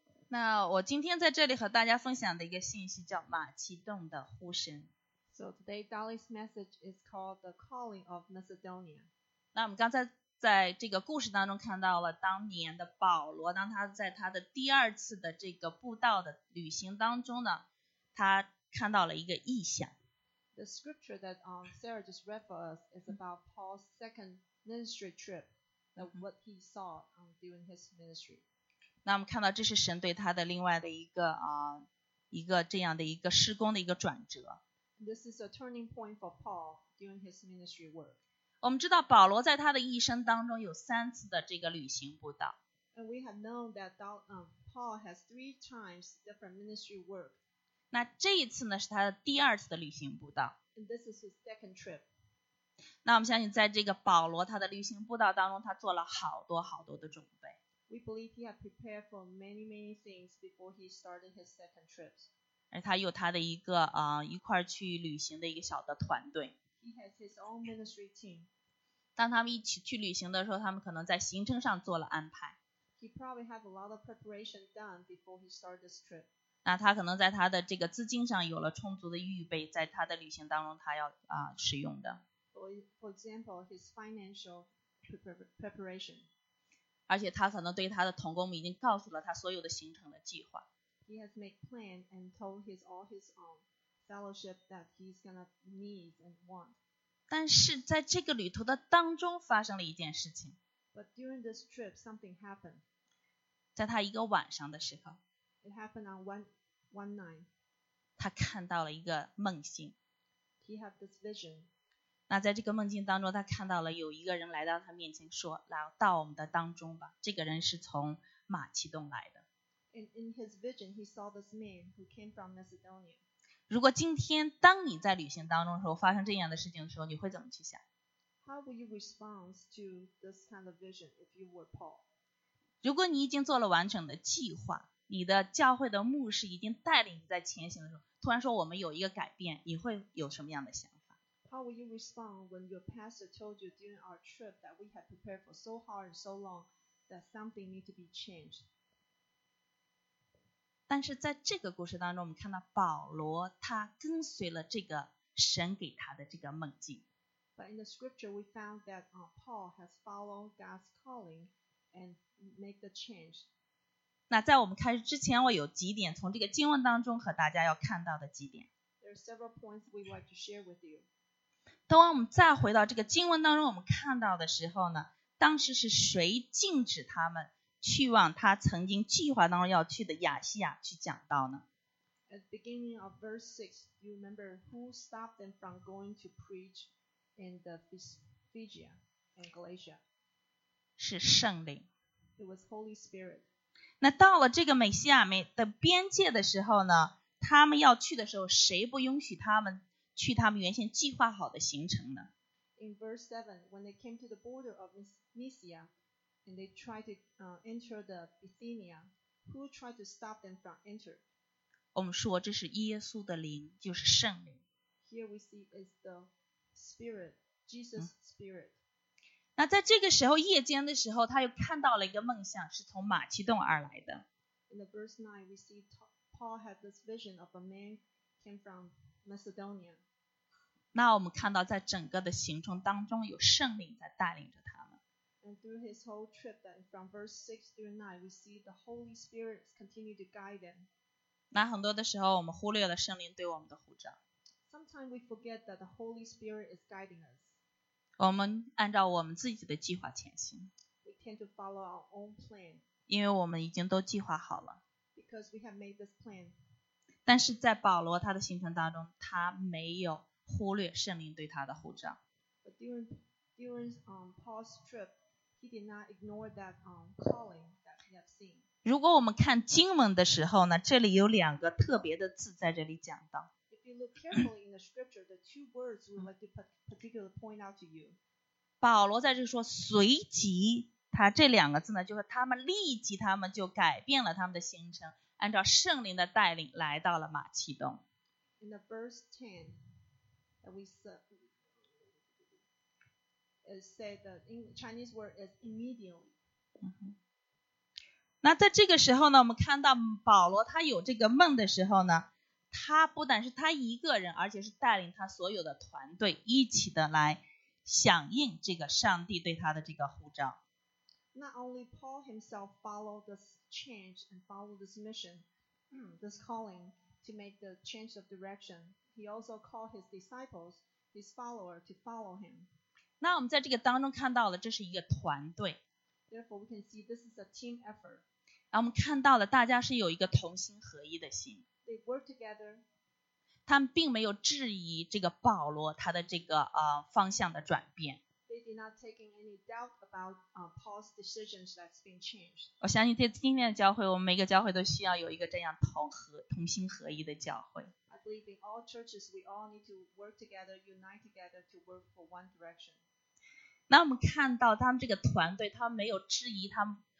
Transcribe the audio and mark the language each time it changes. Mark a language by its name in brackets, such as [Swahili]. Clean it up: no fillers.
[Chinese] 那我今天在这里和大家分享的一个信息叫马其顿的呼声。 [English] So today Dolly's message is called The Calling of Macedonia. [Chinese] 那我们刚才在这个故事当中看到了当年的保罗，当他在他的第二次的这个布道的旅行当中呢，他看到了一个异象。 [English] The scripture that Sarah just read for us is about Paul's second ministry trip. What he saw during his ministry. [Chinese] 那我们看到这是神对他的另外的一个一个这样的一个事工的一个转折。 [English] This is a turning point for Paul during his ministry work. [Chinese] 我们知道保罗在他的一生当中有三次的这个旅行布道。 [English] And we have known that Paul has three times different ministry work. [Chinese] 那这一次呢是他的第二次的旅行布道。 [English] And this is his second trip. [Chinese] 那我们相信在这个保罗他的旅行布道当中他做了好多好多的准备。 [English] We believe he had prepared for many, many things before he started his second trips. [Chinese] 而他有他的一个一块去旅行的一个小的团队。 [English] He has his own ministry team. [Chinese] 当他们一起去旅行的时候他们可能在行程上做了安排。 [English] He probably had a lot of preparation done before he started this trip. [Chinese] 那他可能在他的这个资金上有了充足的预备在他的旅行当中他要使用的。 [English] For example, his financial preparation. [Chinese] 而且他可能对他的同工们已经告诉了他所有的行程的计划。 [English] He has made plans and told all his fellowship that he's going to need and want. [Chinese] 但是在这个旅途的当中发生了一件事情。 [English] But during this trip, something happened. [Chinese] 在他一个晚上的时候。 [English] It happened on one night. [Chinese] 他看到了一个梦境。 [English] He had this vision. [Chinese] 那在这个梦境当中他看到了有一个人来到他面前说来到我们的当中吧这个人是从马其顿来的。 [English] In his vision, he saw this man who came from Macedonia. [Chinese] 如果今天当你在旅行当中的时候发生这样的事情的时候你会怎么去想 [English] How will you respond to this kind of vision if you were Paul? [Chinese] 如果你已经做了完整的计划你的教会的牧师已经带领你在前行的时候突然说我们有一个改变你会有什么样的想法 [English] How will you respond when your pastor told you during our trip that we had prepared for so hard and so long that something needs to be changed? [Chinese] 但是在这个故事当中我们看到保罗他跟随了这个神给他的这个梦境。 [English] But in the scripture we found that Paul has followed God's calling and made the change. [Chinese] 那在我们开始之前我有几点从这个经文当中和大家要看到的几点。 [English] There are several points we would like to share with you. [Chinese] 当我们再回到这个经文当中我们看到的时候呢当时是谁禁止他们去往他曾经计划当中要去的亚细亚去讲道呢 [English] At the beginning of verse 6, you remember who stopped them from going to preach in the Phrygia and Galatia? [Chinese] 是圣灵。 [English] It was Holy Spirit. [Chinese] 那到了这个美西亚美的边界的时候呢他们要去的时候谁不允许他们去他们原先计划好的行程呢 [English] In verse 7, when they came to the border of Mysia, and they tried to enter the Bithynia. Who tried to stop them from entering? [Chinese] 我们说这是耶稣的灵，就是圣灵。 [English] Here we see is the Spirit, Jesus' Spirit. [Chinese] 那在这个时候，夜间的时候，他又看到了一个梦想，是从马其顿而来的。 [English] In the verse 9, we see Paul had this vision of a man came from Macedonia. [Chinese] 那我们看到在整个的行程当中，有圣灵在带领着他们。 [English] And through his whole trip, that from verse 6 through 9, we see the Holy Spirit continue to guide them. [Chinese] 那很多的时候，我们忽略了圣灵对我们的护照。 [English] Sometimes we forget that the Holy Spirit is guiding us. [Chinese] 我们按照我们自己的计划前行。 [English] We tend to follow our own plan. [Chinese] 因为我们已经都计划好了。 [English] Because we have made this plan. [Chinese] 但是在保罗他的行程当中，他没有忽略圣灵对他的护照。 [English] But during Paul's trip, he did not ignore that calling that he had seen. [Chinese] 如果我们看经文的时候呢，这里有两个特别的字在这里讲到。 [English] If you look carefully in the scripture, the two words we would like to particularly point out to you. [Chinese] 保罗在这说随即，他这两个字呢，就是他们立即他们就改变了他们的行程，按照圣灵的带领来到了马其顿。 [English] In the verse 10, that we said, it said that in Chinese word is immediately. [Chinese] 那在这个时候呢，我们看到保罗他有这个梦的时候呢，他不但是他一个人，而且是带领他所有的团队一起的来响应这个上帝对他的这个呼召。 [English] Not only Paul himself followed this change and followed this mission, this calling to make the change of direction, he also called his disciples, his followers to follow him. [Chinese] 那我们在这个当中看到了，这是一个团队。 [English] Therefore, we can see this is a team effort. [Chinese] 那我们看到了，大家是有一个同心合一的心。 [English] They work together. [Chinese] 他们并没有质疑这个保罗他的这个方向的转变。 [English] They did not take any doubt about Paul's decisions that's been changed. [Chinese] 我相信在今天的教会，我们每个教会都需要有一个这样同心合一的教会。 [English] I believe in all churches we all need to work together, unite together to work for one direction. [Chinese] 那我们看到他们这个团队，他们没有质疑他们。